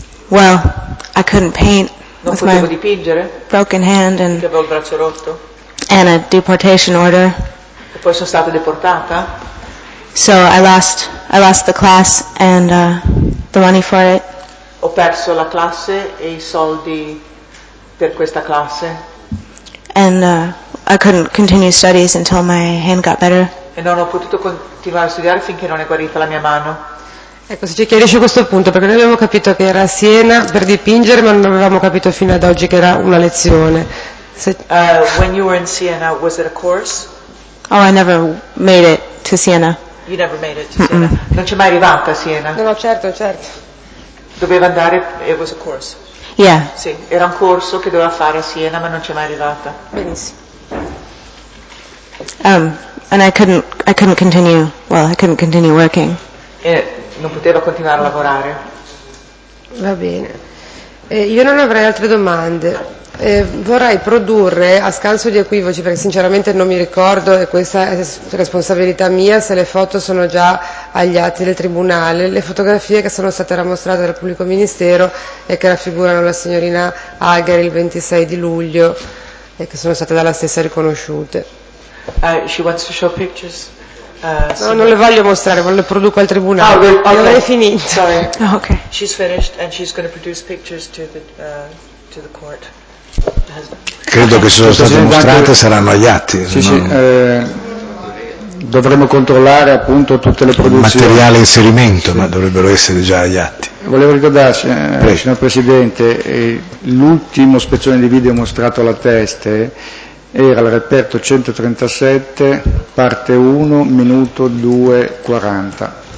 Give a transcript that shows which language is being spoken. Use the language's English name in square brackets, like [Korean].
[English] Well, I couldn't paint [Italian] non [English] with my [Italian] dipingere. [English] Broken hand and [Italian] che avevo il braccio rotto. [English] And a deportation order. [Italian] E poi sono stata deportata. [English] So I lost the class and the money for it. [Italian] Ho perso la classe e i soldi per questa classe. [English] And I couldn't continue studies until my hand got better. [Italian] E non ho potuto continuare a studiare finché non è guarita la mia mano. Ecco, se ci chiarisce questo punto, perché noi avevamo capito che era a Siena per dipingere, ma non avevamo capito fino ad oggi che era una lezione. [English] When you were in Siena, was it a course? Oh, I never made it to Siena. You never made it to Siena. Mm-mm. [Italian] Non c'è mai arrivata a Siena? No, certo. Doveva andare, [English] it was a course. Yeah. [Italian] Sì, era un corso che doveva fare a Siena, ma non c'è mai arrivata. Benissimo. [English] And I couldn't continue, well, I couldn't continue working. [Italian] Non poteva continuare a lavorare. Va bene. Io non avrei altre domande. Vorrei produrre, a scanso di equivoci, perché sinceramente non mi ricordo, e questa è responsabilità mia, se le foto sono già agli atti del Tribunale, le fotografie che sono state mostrate dal Pubblico Ministero e che raffigurano la signorina Hager il 26 di luglio e che sono state dalla stessa riconosciute. [English] She wants to show pictures. [Italian] No, non le voglio mostrare, ma le produco al tribunale. [English] Okay. [Italian] Finito. [English] Sorry. Oh, okay. She's finished and she's going to produce pictures to the court. [Italian] Credo okay. Che sono state mostrate saranno agli atti. Sì, no? Sì. Dovremmo controllare appunto tutte le produzioni. Materiale inserimento, sì. Ma dovrebbero essere già agli atti. Volevo ricordarci, signor Presidente, l'ultimo spezzone di video mostrato alla teste era il reperto 137, parte 1, minuto 2:40.